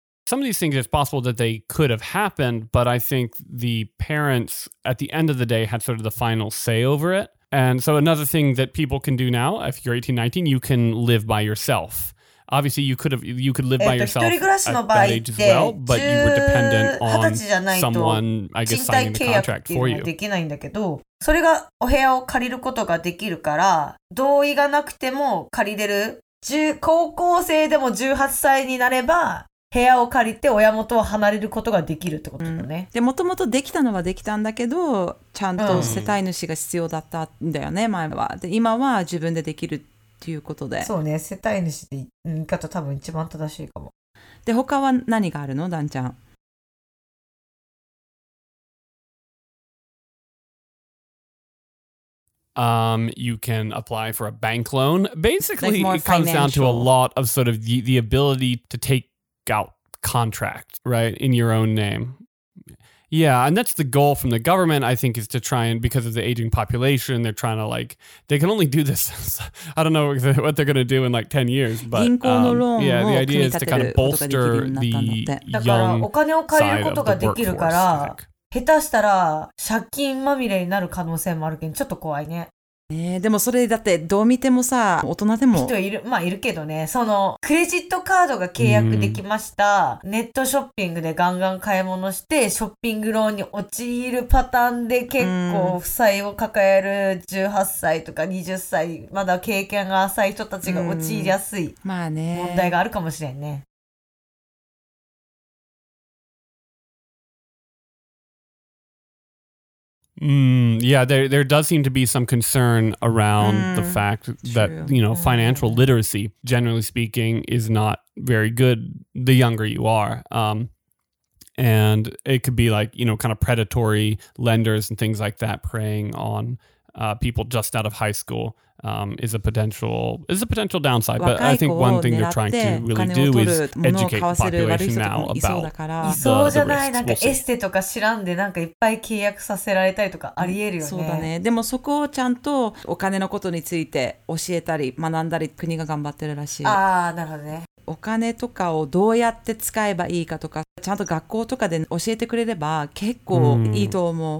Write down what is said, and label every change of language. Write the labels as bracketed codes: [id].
[en] Some of these things, it's possible that they could have happened, but I think the parents, at the end of the day, had sort of the final say over it. And so another thing that people can do now, if you're 18, 19, you can live by yourself. Obviously, you could live by yourself at that age as well, but you were dependent on someone, I guess, signing the contract for you. [ja] できないんだけど、それがお部屋を借りることができるから、同意がなくても借りれる。高校生でも18歳になれば、部屋を借りて親元を離れることができるってことだね。うん、で、もともとできたのはできたんだけど、ちゃんと世帯主が必要だったんだよね、うん、前は。で、今は自分でできるっていうことで。そうね、世帯主で言い方多分一番正しいかも。で、他は何があるの、ダンちゃん。 [en] You can apply for a bank loan. Basically, it comes down to a lot of sort of the ability to take out contract, right, in your own name. Yeah, and that's the goal from the government, I think, is to try and, because of the aging population, they're trying to like, they can only do this. I don't know what they're going to do in like 10 years, but yeah, the idea is to kind of bolster the young side of the workforce. [ja] 下手したら借金まみれになる可能性もあるけど、ちょっと怖いね。でもそれだってどう見てもさ、大人でも人いる、まあいるけどね。そのクレジットカードが契約できました、うん、ネットショッピングでガンガン買い物してショッピングローンに陥るパターンで結構負債を抱える18歳とか20歳、まだ経験が浅い人たちが陥りやすい、うん、まあね、問題があるかもしれんね。 [en] Yeah, there does seem to be some concern around the fact that, you know, financial literacy, generally speaking, is not very good the younger you are. And it could be like, you know, kind of predatory lenders and things like that preying on people just out of high school is a potential downside. But I think one thing they're trying to really do is educate the population now about the risks. [ja] なんかエステとか知らんでなんかいっぱい契約させられたりとかありえるよね。そうだね。でもそこをちゃんとお金のことについて教えたり学んだり国が頑張ってるらしい。ああ、なるほどね。お金とかをどうやって使えばいいかとかちゃんと学校とかで教えてくれれば結構いいと思う、う